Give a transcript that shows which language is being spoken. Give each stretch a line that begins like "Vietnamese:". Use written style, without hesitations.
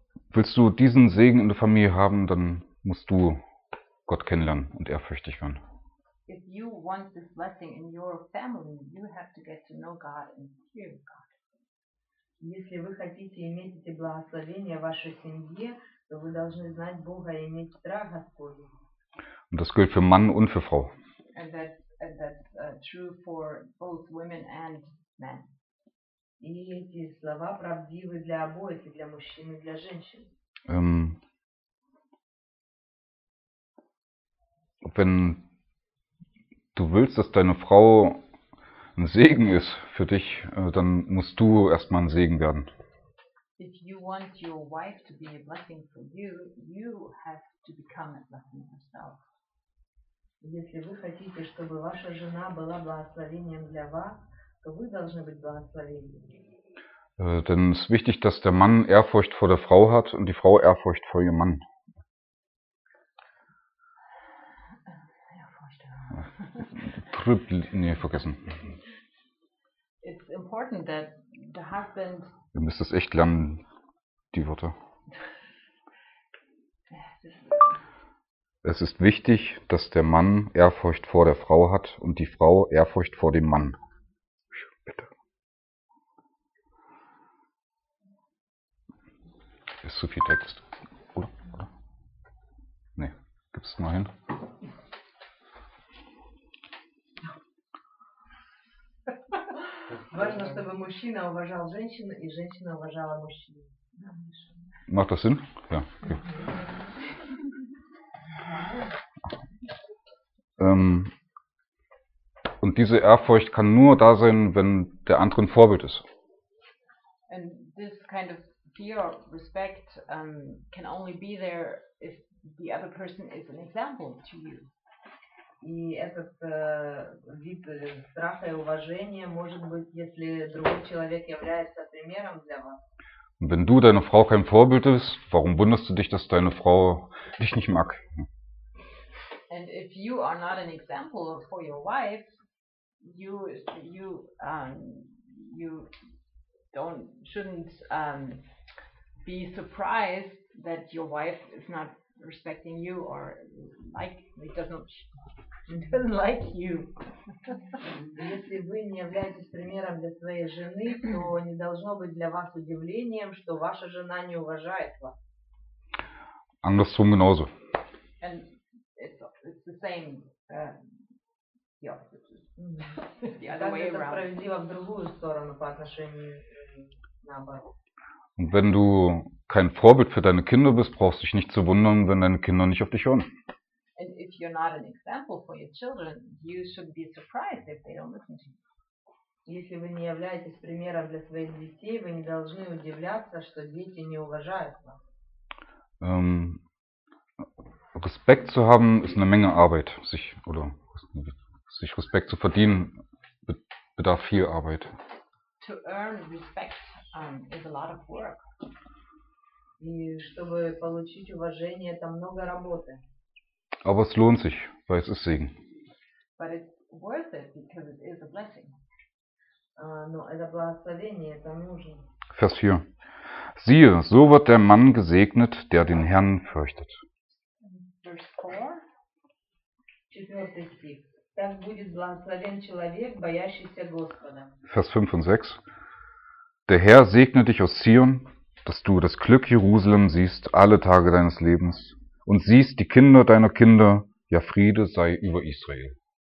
German: Willst du diesen Segen in der Familie haben, dann musst du Gott kennenlernen und ehrfürchtig werden.
English: If you want this blessing in your family, you have to get to know God and fear God.
Russian: Если вы хотите иметь эти благословения в вашей семье, то вы должны знать Бога и иметь страх Господень.
German: Und das gilt für Mann und für Frau.
English: And that's true for both women and men.
Russian: И эти слова правдивы для обоих, и для мужчин, и для женщин.
German: Wenn du willst, dass deine Frau ein Segen ist für dich, dann musst du erstmal ein Segen werden.
English: If you want your wife to be a blessing for you, you have to become a blessing yourself.
Russian: Если вы хотите, чтобы ваша жена была благословением для вас, то вы должны быть благословением.
German: Denn es ist wichtig, dass der Mann Ehrfurcht vor der Frau hat und die Frau Ehrfurcht vor ihrem Mann.
English: It's important that the husband.
German: Du musst das echt lernen, die Worte. Es ist wichtig, dass der Mann Ehrfurcht vor der Frau hat und die Frau Ehrfurcht vor dem Mann. Ist zu viel Text. Oder? Nee, gib's mal hin.
Russian: Важно, чтобы мужчина уважал женщину и женщина уважала мужчину.
German: Macht das Sinn? Ja. Okay. Und diese Ehrfurcht kann nur da sein, wenn der andere ein Vorbild ist.
English: And this kind of fear or respect can only be there if the other person is an example to you.
Russian: И этот вид страха и уважения может быть, если другой человек является примером для вас.
German: Wenn du deine Frau kein Vorbild bist, warum wunderst du dich, dass deine Frau dich nicht mag?
English: And if you are not an example for your wife, you shouldn't be surprised that your wife is not respecting you or like it doesn't doesn't like you.
Russian: Если вы не являетесь примером для своей жены, то не должно быть для вас удивлением, что ваша жена не уважает вас.
German: Andersrum genauso.
English: And it's the same.
German: Und wenn du kein Vorbild für deine Kinder bist, brauchst du dich nicht zu wundern, wenn deine Kinder nicht auf dich hören.
English: And if you're not an example for your children, you should be surprised if they don't listen to you.
Russian: Если вы не являетесь примером для своих детей, вы не должны удивляться, что дети не уважают вас.
German: Respekt zu haben ist eine Menge Arbeit, sich oder sich Respekt zu verdienen bedarf viel Arbeit.
English: To earn respect is a lot of work.
Russian: И чтобы получить уважение, это много работы.
German: Aber es lohnt sich, weil es ist Segen.
English: But it's worth it because it is a blessing.
Russian: Но это благословение, это нужно.
German: Vers 4. Siehe, so wird der Mann gesegnet, der den Herrn fürchtet. Vers 4. 4. Dann
Russian: будет благословен человек, боящийся Господа.
German: Vers 5 und 6. Der Herr segne dich aus Zion, dass du das Glück Jerusalem siehst alle Tage deines Lebens und siehst die Kinder deiner Kinder, ja Friede sei über Israel.